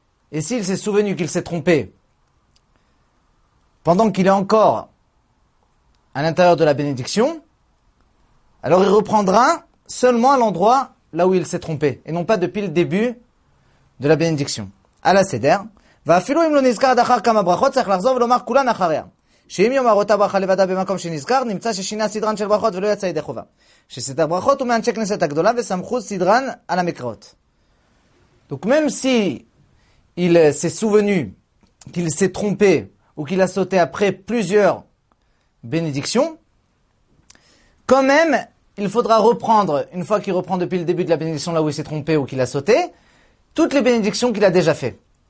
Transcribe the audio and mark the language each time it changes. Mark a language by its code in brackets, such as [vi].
[fr] Et s'il s'est souvenu qu'il s'est trompé, pendant qu'il est encore à l'intérieur de la bénédiction, alors il reprendra seulement à l'endroit là où il s'est trompé, et non pas depuis le début de la bénédiction. [he] À la seder, ואפילו אם לא נזכר עד אחר כמה ברכות, צריך לחזור ולומר כולן אחריה. שאם יאמר אותה ברכה לבדה במקום שנזכר, נמצא ששינה סדרן של ברכות ולא יצא ידי חובה. שסדר ברכות הוא מאנשי כנסת הגדולה וסמכו סדרן על המקראות. [fr] Donc même si il s'est souvenu qu'il s'est trompé ou qu'il a sauté après plusieurs bénédictions, quand même, il faudra reprendre, une fois qu'il reprend depuis le début de la bénédiction là où il s'est trompé ou qu'il a sauté, toutes les bénédictions qu'il a déjà faites.